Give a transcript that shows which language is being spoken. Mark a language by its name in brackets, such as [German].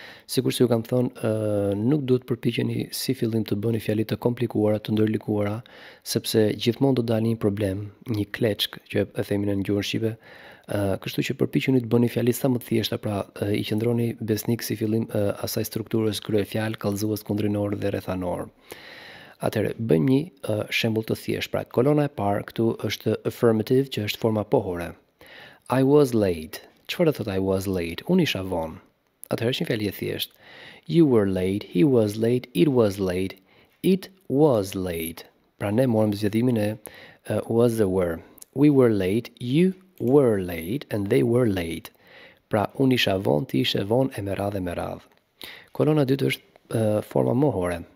[Albanian] Sikur si ju kam thonë, nuk duhet përpiqeni si fillim të bëni fjalit të komplikuara, të ndërlikuara, sepse gjithmonë do dalë një problem, një kleçk, që e themi në gjuhën shqipe, kështu që përpiqeni të bëni fjalit sa më të thjeshta, pra i qëndroni besnik si fillim asaj strukturës kryefjal, kallëzues kundrinor dhe rrethanor. Atëherë, bëjmë një shembull të thjeshtë. Pra, kolona e parë këtu është affirmative, që është forma pohore. [English] I was late. [Albanian] Çfarë do të thotë [English] I was late? [Albanian] Unë isha vonë. Atëherë është një fjalë e thjeshtë. [English] You were late, he was late, it was late, it was late. [Albanian] Pra ne morëm zgjedhimin e [English] was the were. We were late, you were late and they were late. [Albanian] Pra unë isha vonë, ti ishe vonë e me radhë e me radhë. Kolona dytë është forma mohore.